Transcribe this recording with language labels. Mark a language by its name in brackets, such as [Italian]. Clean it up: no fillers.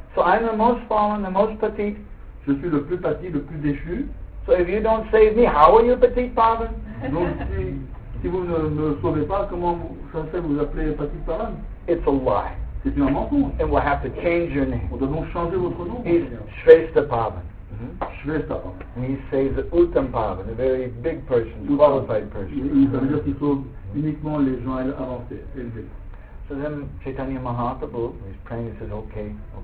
[English] So I'm the most fallen, the most petit. [French] Je suis le plus petit, le plus déchu. [English] So if you don't save me, how are you Petit Pavan? [French] Donc si vous ne me sauvez pas, comment vous allez vous appeler Petit Pavan? [English] It's a lie. [French] C'est un mensonge. [English] And we'll have to change your name. [French] Nous devons changer votre nom. [English] He's Shvesta Pavan. Shvesta Pavan. And he says Uttam Pavan, a very big person, Uttam. Qualified person. [French] Il veut dire qu'il sauve uniquement les gens avancés, élevés. [English] So then Chaitanya Mahaprabhu, he's praying, he says, okay.